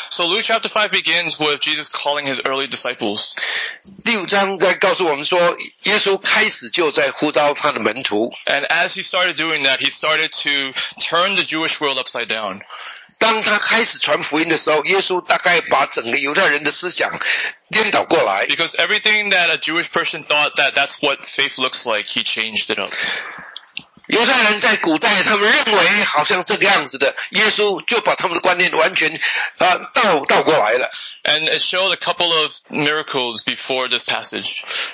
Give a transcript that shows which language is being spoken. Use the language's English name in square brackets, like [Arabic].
[English] So Luke chapter 5 begins with Jesus calling his early disciples. [Chinese] 第五章在告诉我们说，耶稣开始就在呼召他的门徒。 [English] And as he started doing that, he started to turn the Jewish world upside down. [Chinese] 当他开始传福音的时候，耶稣大概把整个犹太人的思想颠倒过来。Because [English] everything that a Jewish person thought that's what faith looks like, he changed it up. [Chinese] 犹太人在古代，他们认为好像这个样子的，耶稣就把他们的观念完全倒过来了。And [English] it showed a couple of miracles before this passage.